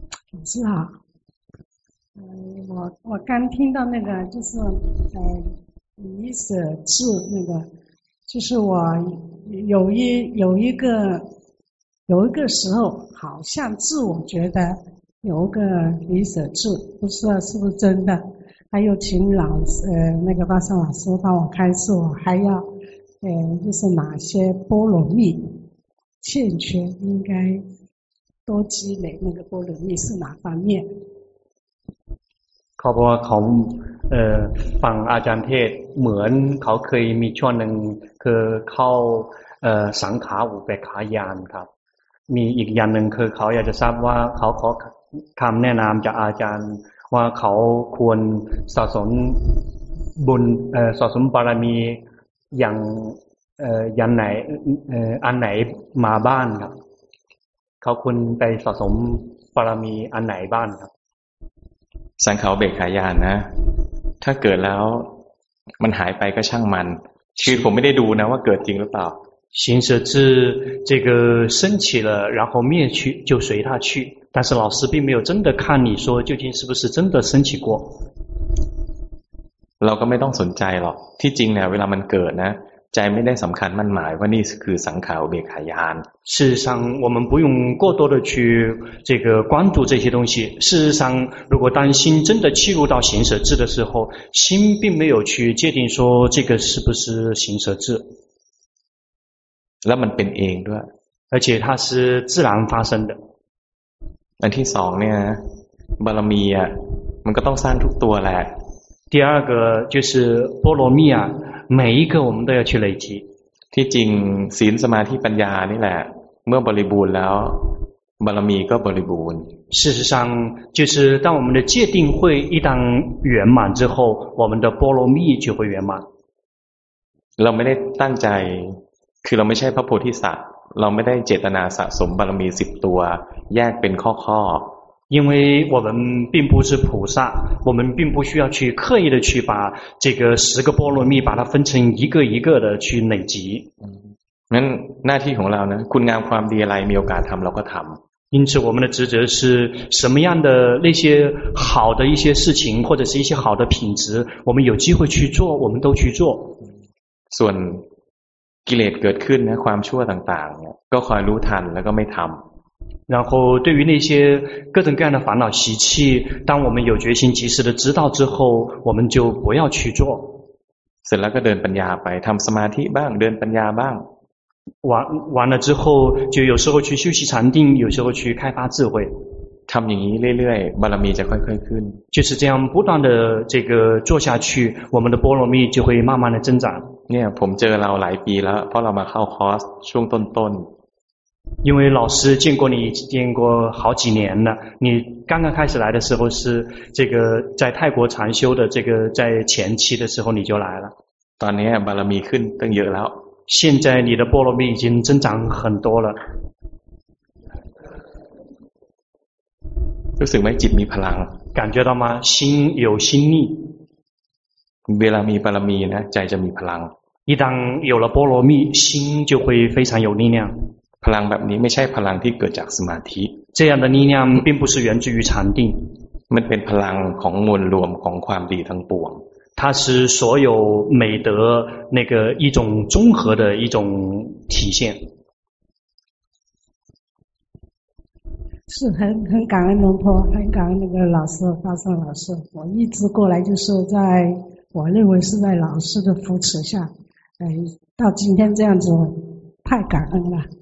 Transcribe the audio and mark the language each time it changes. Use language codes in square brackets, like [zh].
[zh] 老师好我刚听到那个就是以舍智那个就是我有一个时候好像自我觉得有个离舍智不知道是不是真的还有请老师那个巴萨老师帮我开示我还要就是哪些波罗蜜欠缺应该多积累那个波罗蜜是哪方面 [th] เขาบอกว่าเขาฟังอาจารย์เทศเหมือนเขาเคยมีช่วงหนึ่งคือเข้าสังขารอุปขายานครับมีอีกอย่างหนึ่งคือเขาอยากจะทราบว่าเขาขอคำแนะนำจากอาจารย์ว่าเขาควรสะสมบุญสะสมบารมีอย่างไหนอันไหนมาบ้างครับเขาควรไปสะสมบารมีอันไหนบ้างครับ สังขารเบกขายานนะถ้าเกิดแล้วมันหายไปก็ช่างมันคือผมไม่ได้ดูนะว่าเกิดจริงหรือเปล่า [zh] 行舍智这个升起了然后灭去就随它去但是老师并没有真的看你说究竟是不是真的升起过 [th] เราก็ไม่ต้องสนใจหรอกที่จริงเนี่ยเวลามันเกิดนะใจไม่ได้สำคัญมั่นหมายว่านี่คือสังขารเบกขายาน [zh] 事实上我们不用过多的去这个关注这些东西事实上如果当心真的契入到行舍智的时候心并没有去界定说这个是不是行舍智 [th] แล้วมันเป็นเองด้วย [zh] 而且它是自然发生的 [th] อันที่สองเนี่ยบารมีอ่ะมันก็ต้องสร้างทุกตัวแหละ [zh] 第二个就是波罗蜜啊每一个我们都要去累积 [th] ที่จริงศีลสมาธิปัญญานี่แหละเมื่อบริบูรณ์แล้วบารมีก็บริบูรณ์ [zh] 事实上就是当我们的戒定慧一旦圆满之后我们的波罗蜜就会圆满 [th] เราไม่ได้ตั้งใจคือเราไม่ใช่พระโพธิสัตว์เราไม่ได้เจตนาสะสมบารมี10ตัวแยกเป็นข้อๆ [zh] 因为我们并不是菩萨我们并不需要去刻意的去把这个十个波罗蜜把它分成一个一个的去累积 [th] นั้นหน้าที่ของเรานะคุณงามความดีอะไรมีโอกาสทำเราก็ทำ [zh] 因此我们的职责是什么样的那些好的一些事情或者是一些好的品质我们有机会去做我们都去做 [th] ส่วนกิเลสเกิดขึ้นนะความชั่วต่างๆก็คอยรู้ทันแล้วก็ไม่ทำ [zh] 然后对于那些各种各样的烦恼习气当我们有决心及时的知道之后我们就不要去做 [th] เสร็จแล้วก็เดินปัญญาไปทำสมาธิบ้างเดินปัญญาบ้าง [zh] 完了之后就有时候去休息禅定有时候去开发智慧 [th] ทำอย่างนี้เรื่อยๆบารมีจะค่อยๆขึ้น [zh] 就是这样不断的这个做下去我们的波罗蜜就会慢慢的增长 [th] เนี่ยผมเจอเราหลายปีแล้วเพราะเรามาเข้าคอร์สช่วงต้นๆ [zh] 因为老师见过你见过好几年了你刚刚开始来的时候是这个在泰国禅修的这个在前期的时候你就来了 [th] ตอนนี้บารมีขึ้นตั้งเยอะแล้ว [zh] 现在你的波罗蜜已经增长很多了 [th] รู้สึกไหมจิตมีพลัง [zh] 感觉到吗心有心力 [th] เวลามีบารมีนะใจจะมีพลัง [zh] 一旦有了波罗蜜心就会非常有力量 [th] พลังแบบนี้ไม่ใช่พลังที่เกิดจากสมาธิ [zh] 这样的力量并不是源自于禅定 [th] มันเป็นพลังของมวลรวมของความดีทั้งปวง [zh] 它是所有美德那个一种综合的一种体现是很感恩龙婆很感恩那个老师发生老师我一直过来就是在我认为是在老师的扶持下到今天这样子太感恩了